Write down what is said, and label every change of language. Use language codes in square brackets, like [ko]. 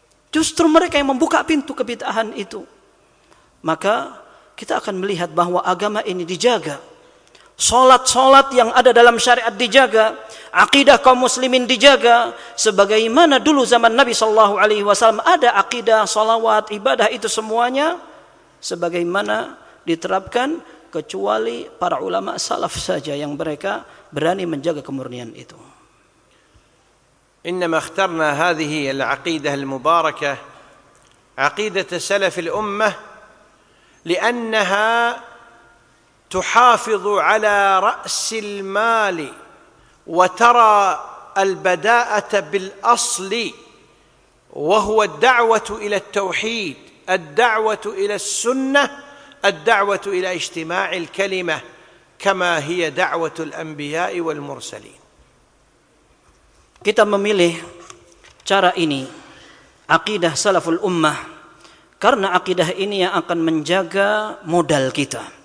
[id] Justru mereka yang membuka pintu kebid'ahan itu. Maka kita akan melihat bahwa agama ini dijaga, solat-solat yang ada dalam syariat dijaga, akidah kaum muslimin dijaga, sebagaimana dulu zaman Nabi Sallallahu Alaihi Wasallam ada akidah, solawat, ibadah itu semuanya sebagaimana diterapkan, kecuali para ulama salaf saja yang mereka berani menjaga kemurnian itu. [ar] إنما اخترنا هذه العقيدة المباركة عقيدة سلف الأمة لأنها تحافظ على رأس المال وترى البداءة بالأصل وهو الدعوة إلى التوحيد، الدعوة إلى السنة، الدعوة إلى اجتماع الكلمة كما هي دعوة الأنبياء والمرسلين. [id] Kita memilih cara ini, akidah salaful ummah, karena akidah ini yang akan menjaga modal kita.